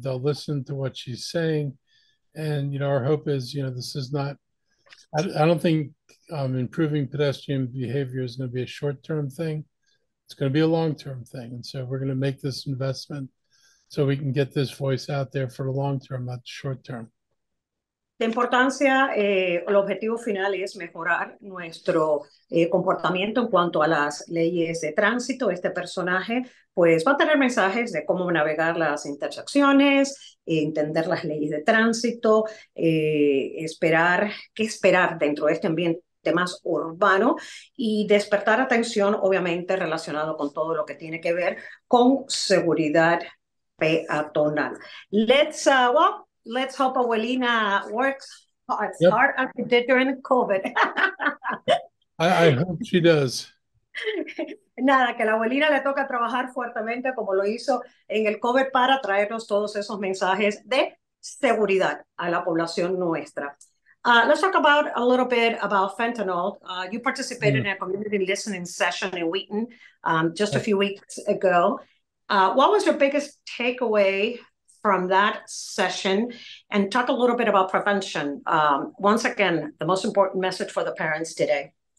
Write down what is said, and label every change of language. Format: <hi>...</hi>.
<en>They'll listen to what she's saying. And, you know, our hope is, you know, this is not, I don't think improving pedestrian behavior is going to be a short-term thing. It's going to be a long-term thing. And so we're going to make this investment so we can get this voice out there for the long-term, not short-term.</en> <es>La importancia, el objetivo final es mejorar nuestro comportamiento en cuanto a las leyes de tránsito. Este personaje, pues, va a tener mensajes de cómo navegar las intersecciones, entender las leyes de tránsito, esperar, qué esperar dentro de este ambiente más urbano, y despertar atención, obviamente, relacionado con todo lo que tiene que ver con seguridad peatonal.</es> <en>Let's hope Abuelina works as hard as she did during COVID. I hope she does.</en> <es>Nada, que la abuelina le toca trabajar fuertemente como lo hizo en el COVID para traernos todos esos mensajes de seguridad a la población nuestra.</es> <en>Let's talk about a little bit about fentanyl. You participated in a community listening session in Wheaton just a few weeks ago. What was your biggest takeaway from that session, and talk a little bit about prevention? Once again, the most important message for the parents today.</en>